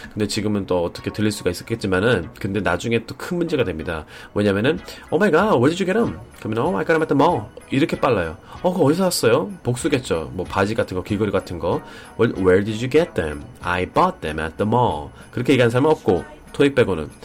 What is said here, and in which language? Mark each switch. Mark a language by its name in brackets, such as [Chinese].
[Korean] 근데 지금은 또 어떻게 들릴 수가 있었겠지만은, 근데 나중에 또 큰 문제가 됩니다. 왜냐면은, [English] oh my god, where did you get them? [Korean] 그러면, [English] oh, I got them at the mall. [Korean] 이렇게 빨라요. 그거 어디서 샀어요? 복수겠죠. 뭐 바지 같은 거, 귀걸이 같은 거. [English] Where did you get them? I bought them at the mall. [Korean] 그렇게 얘기하는 사람은 없고, 토익 빼고는.